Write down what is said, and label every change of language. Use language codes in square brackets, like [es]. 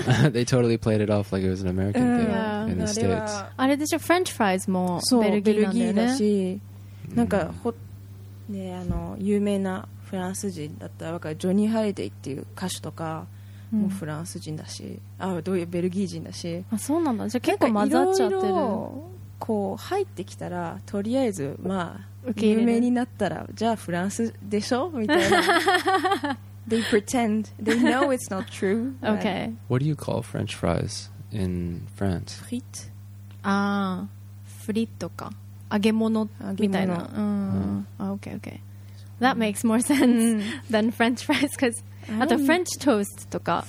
[en] They totally played it off like it was an American thing in the States. [ja] あれでしょ、 French fries もベルギーなんだよね。そう、ベルギーだし、なんかほ、ね、有名なフランス人だったら分かる、ジョニー・ハリデイっていう歌手とかもフランス人だし、どういうベルギー人だし。あ、そうなんだ。じゃあ結構混ざっちゃってる。こう入ってきたら、とりあえずまあ有名になったら、じゃあフランスでしょみたいな。 [en] They pretend. They know it's not true. Okay. What do you call French fries in France? Frites. [ja] Ah, frites とか揚げ物みたいな。 [en] Okay, okay. That makes more sense than French fries, because [ja] あと [en] French toast とか。